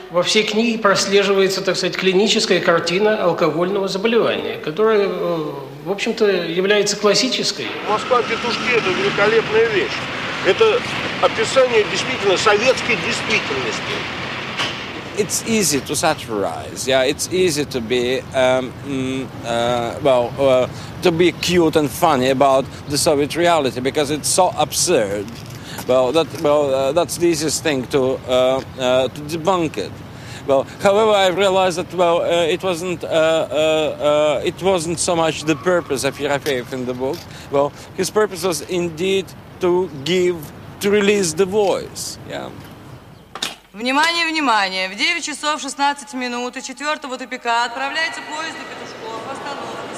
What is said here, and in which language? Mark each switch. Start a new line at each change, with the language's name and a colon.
Russian: Во всей книге прослеживается, так сказать, клиническая картина алкогольного заболевания, которая, в общем-то, является классической. Москва петушки — это великолепная вещь. Это описание действительно советской действительности.
English: It's easy to satirize. Yeah, it's easy to be to be cute and funny about the Soviet reality because it's so absurd. That's the easiest thing to debunk it. Well, however, I realized that it wasn't so much the purpose of Ерофеев in the book. Well, his purpose was indeed to release the voice.
Russian: Внимание, внимание! В 9 часов 16 минут и 4-го тупика отправляется поезд до Петушков. Остановка.